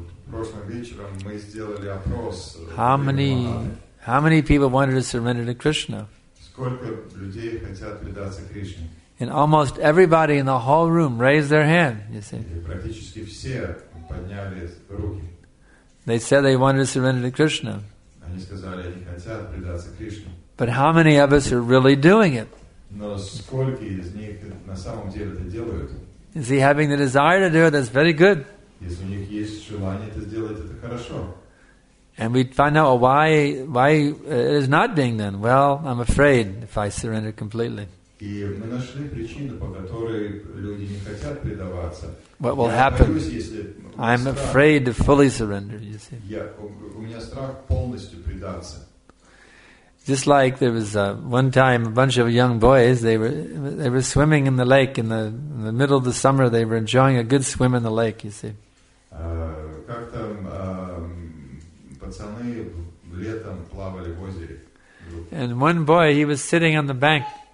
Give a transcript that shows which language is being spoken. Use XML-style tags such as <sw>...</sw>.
<ru>Прошлым вечером мы сделали опрос.</ru> <en>How many people wanted to surrender to Krishna?</en> <ru>Сколько людей хотят предаться Кришне?</ru> <en>And almost everybody in the whole room raised their hand, you see.</en> <ru>И практически все подняли руки.</ru> <en>They said they wanted to surrender to Krishna.</en> <ru>Они сказали, они хотят предаться Кришне.</ru> <en>But how many of us are really doing it?</en> <ru>Но сколько из них на самом деле это делают?</ru> <en>You see, having the desire to do it, that's very good.</en> <ru>Если у них есть желание это сделать, это хорошо.</ru> <en>And we find out why it is not being done. Well, I'm afraid if I surrender completely.</en> <ru>И мы нашли причину, по которой люди не хотят предаваться.</ru> <en>What will happen? I'm afraid to fully surrender. You see.</en> <ru>Я у меня страх полностью предаться.</ru> <en>Just like there was one time, a bunch of young boys. They were swimming in the lake in the middle of the summer. They were enjoying a good swim in the lake. You see.</en> <ru>Как там? Пацаны летом плавали в озере.</ru> <en>And one boy, he was sitting on the bank.</en>